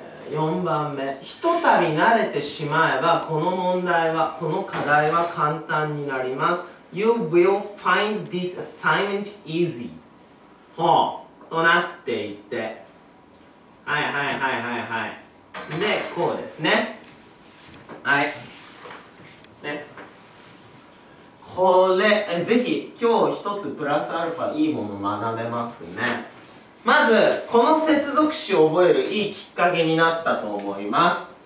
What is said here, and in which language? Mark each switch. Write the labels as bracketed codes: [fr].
[ja] 4番目。ひとたび慣れてしまえば、この問題は、この課題は簡単になります。 [en] You will find this assignment easy. [ja] ほう。となっていて。はいはいはいはいはい。で、こうですね。はい。ね。これ、ぜひ今日一つプラスアルファいいもの学べますね。まず、この接続詞を覚えるいいきっかけになったと思います。